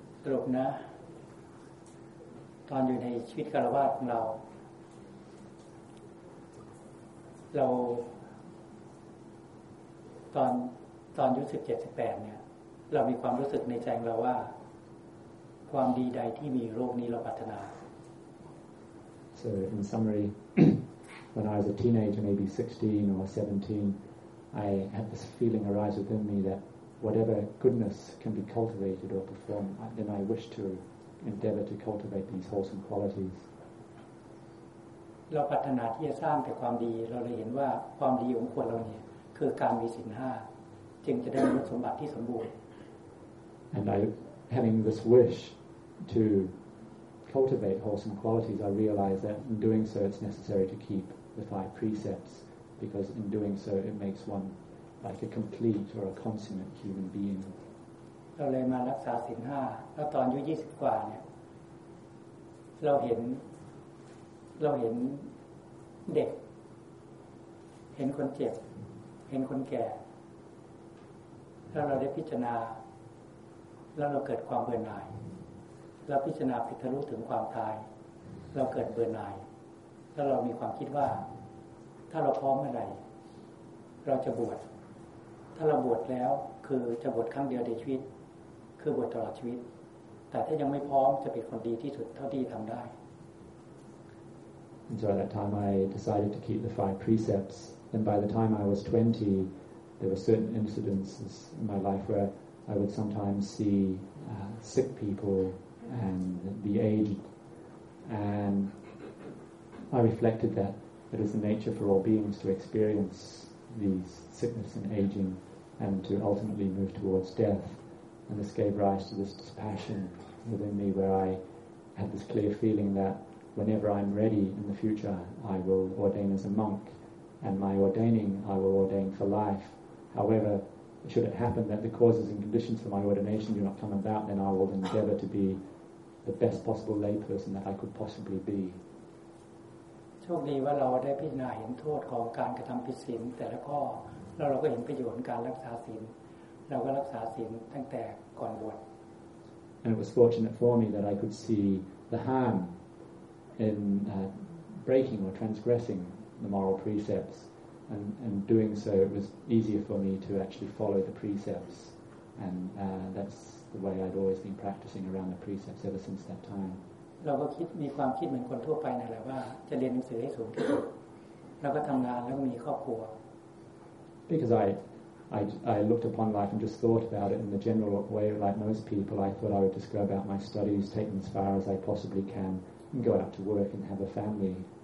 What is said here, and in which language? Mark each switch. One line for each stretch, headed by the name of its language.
Thai: รบนะตอนอยู่ในชีวิตคารวะของเราเราตอนอายุ17-18เนี่ยเรามีความรู้สึกในใจเราว่าความดีใดที่มีโรคนี้เราปรารถนา
English: So in summary when I was a teenager maybe 16 or 17 I had this feeling arise within me that whatever goodness can be cultivated or performed then I wish toEndeavor to cultivate these wholesome qualities.
Thai: เราปรารถนาที่จะสร้างแต่ความดีเราเลยเห็นว่าความดีของคนเราเนี่ยคือการมีศีล5จึงจะได้มีสมบัติที่สมบูรณ์
English: And I, having this wish to cultivate wholesome qualities, I realize that in doing so, it's necessary to keep the 5 precepts because in doing so, it makes one like a complete or a consummate human being.
Thai: เราเลยมารักษาศีล5แล้วตอนอายุ20กว่าเนี่ยเราเห็นเด็กเห็นคนเจ็บเห็นคนแก่แล้วเราได้พิจารณาแล้วเราเกิดความเบื่อหน่ายแล้วพิจารณาไปทะลุถึงความตาย เราเกิดเบื่อหน่ายถ้าเรามีความคิดว่าถ้าเราพร้อมเมื่อไรเราจะบวชถ้าเราบวชแล้วคือจะบวชครั้งเดียวในชีวิตคือบวชตลอดชีวิตแต่ถ้ายังไม่พร้อมจะเป็นคนดีที่สุดเท่าที่ทำได้
English: And so at that time I decided to keep the five precepts and by the time I was 20 there were certain incidences in my life where I would sometimes see sick people and the aged and I reflected that it is the nature for all beings to experience these sickness and aging and to ultimately move towards death and this gave rise to this dispassion within me where I had this clear feeling that whenever I'm ready in the future I will ordain as a monk and my ordaining I will ordain for life however should it happen that the causes and conditions for my ordination do not come about then I will endeavor to be the best possible layperson that I could possibly be
Thai: โชคดีว่าเราได้พิจารณาเห็นโทษของการกระทำผิดศีลแต่ละข้อแล้วเราก็เห็นประโยชน์การรักษาศีลเราก็รักษาศีลตั้งแต่ก่อนบวช
English: And it was fortunate for me that I could see the harm in breaking or transgressing the moral precepts and doing so it was easier for me to actually follow the precepts and that's the way I'd always been practicing around the precepts ever since that time
Thai: เราก็คิดมีความคิดเหมือนคนทั่วไปนั่นแหละว่าจะเรียนหนังสือให้สูงที่สุดแล้วก็ทำงานแล้วก็มีครอบครัว
English: because I looked upon life and just thought about it in the general way like most people I thought I would just go about my studies take them as far as I possibly canand go out to work and have a family